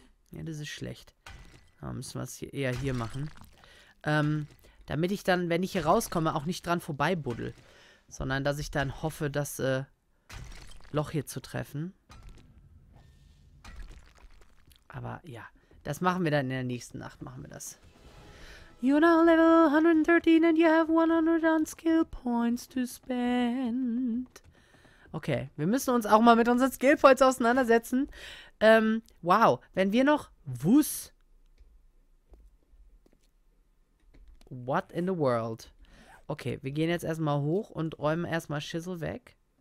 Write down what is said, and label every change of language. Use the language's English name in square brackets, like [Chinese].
[German] Ja, das ist schlecht. Aber müssen wir es hier eher hier machen. Damit ich dann, wenn ich hier rauskomme, auch nicht dran vorbeibuddel. Sondern, dass ich dann hoffe, das Loch hier zu treffen. Aber ja, das machen wir dann in der nächsten Nacht, machen wir das. [English] You're now level 113 and you have 100 unskill points to spend. [German] Okay, wir müssen uns auch mal mit unseren Skill Points auseinandersetzen. Wow, wenn wir noch... Wuss... [English] What in the world? [German] Okay, wir gehen jetzt erstmal hoch und räumen erstmal Schissel weg.